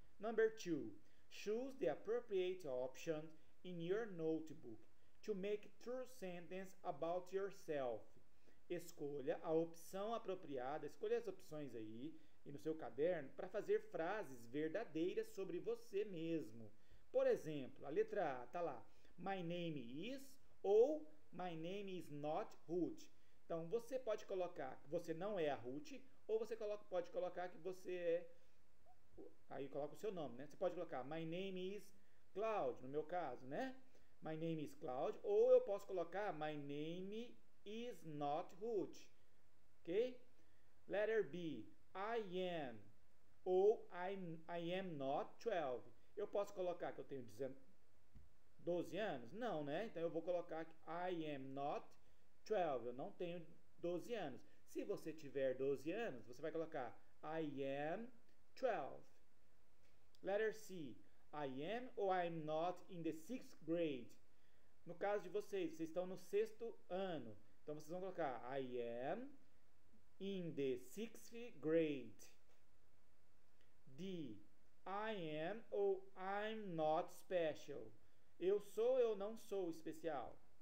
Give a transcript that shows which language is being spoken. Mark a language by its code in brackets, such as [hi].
[en] Number 2, choose the appropriate option in your notebook to make true sentence about yourself. [pt] Escolha a opção apropriada, escolha as opções aí e no seu caderno para fazer frases verdadeiras sobre você mesmo. Por exemplo, a letra A tá lá, [en] my name is [pt] ou [en] my name is not Ruth. [pt] Então você pode colocar que você não é a Ruth ou você pode colocar que você é, aí coloca o seu nome, né? Você pode colocar [en] my name is Cloud, [pt] no meu caso, né? [en] My name is Cloud, [pt] ou eu posso colocar [en] my name is not Ruth, ok? Letter B, I am ou I am not 12. [pt] Eu posso colocar que eu tenho 12 anos? Não, né? Então eu vou colocar que [en] I am not 12, [pt] eu não tenho 12 anos. Se você tiver 12 anos, você vai colocar [en] I am 12. Letter C, I am ou I'm not in the 6th grade? [pt] No caso de vocês, vocês estão no 6º ano. Então vocês vão colocar [en] I am in the 6th grade. D, I am ou I'm not special? [pt] Eu sou ou não sou especial?